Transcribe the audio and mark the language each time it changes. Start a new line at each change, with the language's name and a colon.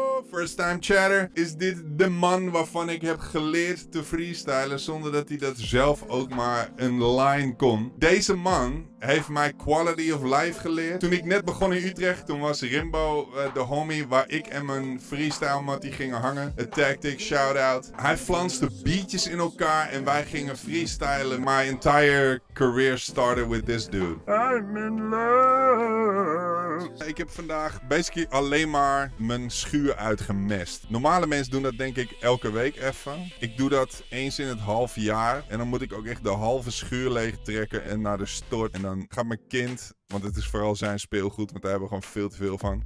English: First time chatter.
Dutch: Is dit de man waarvan ik heb geleerd te freestylen zonder dat hij dat zelf ook maar een line kon? Deze man heeft mij
English: quality of life
Dutch: geleerd. Toen ik net begon in Utrecht, toen was Rimbo de homie waar ik en mijn freestyle mattie gingen hangen.
English: A tactic, shout out.
Dutch: Hij flanste beatjes in elkaar en wij gingen freestylen.
English: My entire career started with this dude. I'm in love.
Dutch: Ik heb vandaag basically alleen maar mijn schuur uitgemest. Normale mensen doen dat denk ik elke week even. Ik doe dat eens in het half jaar. En dan moet ik ook echt de halve schuur leeg trekken en naar de stort. En dan gaat mijn kind, want het is vooral zijn speelgoed, want daar hebben we gewoon veel te veel van.